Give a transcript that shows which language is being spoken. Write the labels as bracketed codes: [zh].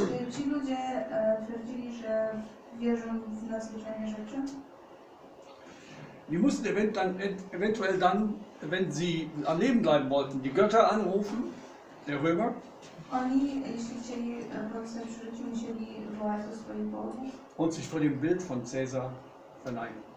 [pl] Ci ludzie twierdzili, że wierzą w nadzwyczajne rzeczy. [de] Die mussten eventuell dann, wenn sie am Leben bleiben wollten, die Götter anrufen, der Römer. [pl] Oni, jeśli chcieli pozostać przy życiu, musieli wołać do swoich bogów. [de] Und sich vor dem Bild von Cäsar verneigen.